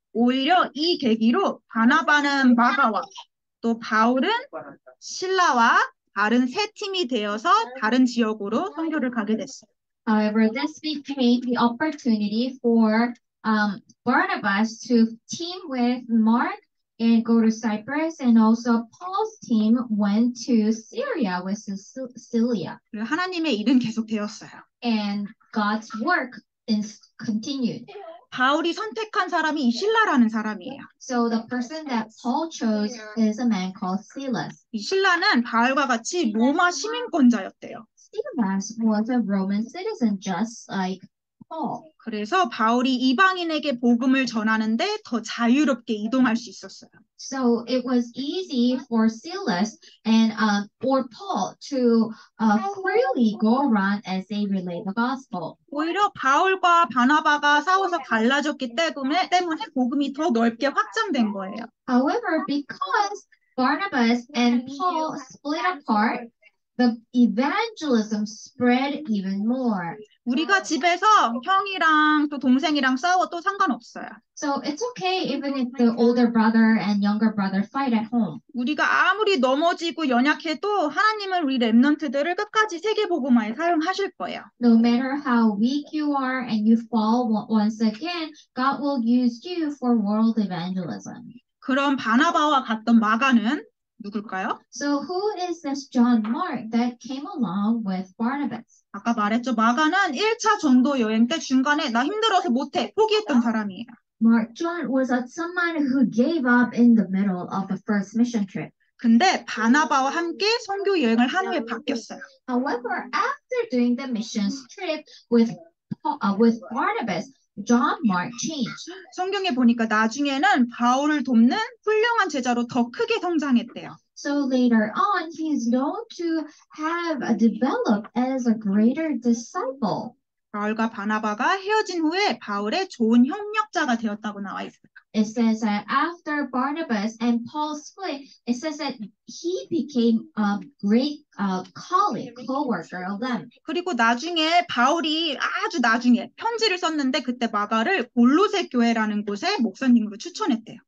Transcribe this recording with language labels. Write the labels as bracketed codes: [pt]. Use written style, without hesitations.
[ko] 오히려 이 계기로 바나바는 마가와 또 바울은 실라와 다른 세 팀이 되어서 다른 지역으로 선교를 가게 됐어요. [en] However, this became the opportunity for Barnabas to team with Mark and go to Cyprus, and also Paul's team went to Syria with Cilicia. [ko] 하나님의 일은 계속되었어요. [en] And God's work is continued. [ko] 바울이 선택한 사람이 이 실라라는 사람이에요. [en] So the person that Paul chose is a man called Silas. [ko] 이 실라는 바울과 같이 로마 시민권자였대요. [en] Silas was a Roman citizen just like [ko] 그래서 바울이 이방인에게 복음을 전하는데 더 자유롭게 이동할 수 있었어요. [en] So it was easy for Silas and or Paul to freely go around as they relay the gospel. [ko] 오히려 바울과 바나바가 싸워서 갈라졌기 때문에 복음이 더 넓게 확장된 거예요. [en] However, because Barnabas and Paul split apart, the evangelism spread even more. [ko] 우리가 집에서 형이랑 또 동생이랑 싸워도 상관없어요. [en] So it's okay even if the older brother and younger brother fight at home. [ko] 우리가 아무리 넘어지고 연약해도 하나님은 우리 렘넌트들을 끝까지 세계복음화에 사용하실 거예요. [en] No matter how weak you are and you fall once again, God will use you for world evangelism. [ko] 그럼 바나바와 갔던 마가는 누굴까요? [en] So who is this John Mark that came along with Barnabas? [ko] 아까 말했죠. 마가는 1차 전도 여행 때 중간에 나 힘들어서 못해 포기했던 사람이에요. [en] Mark John was someone who gave up in the middle of the first mission trip. [ko] 근데 바나바와 함께 선교 여행을 한 후에 바뀌었어요. [en] However, after doing the mission trip with Barnabas, John Mark changed. [ko] 성경에 보니까 나중에는 바울을 돕는 훌륭한 제자로 더 크게 성장했대요. [en] So later on, he is known to have developed as a greater disciple. [ko] 바울과 바나바가 헤어진 후에 바울의 좋은 협력자가 되었다고 나와 있어요. [en] It says that after Barnabas and Paul split, it says that he became a great colleague, co-worker of them. [ko] 그리고 나중에 바울이 아주 나중에 편지를 썼는데 그때 마가를 골로새 교회라는 곳에 목사님으로 추천했대요.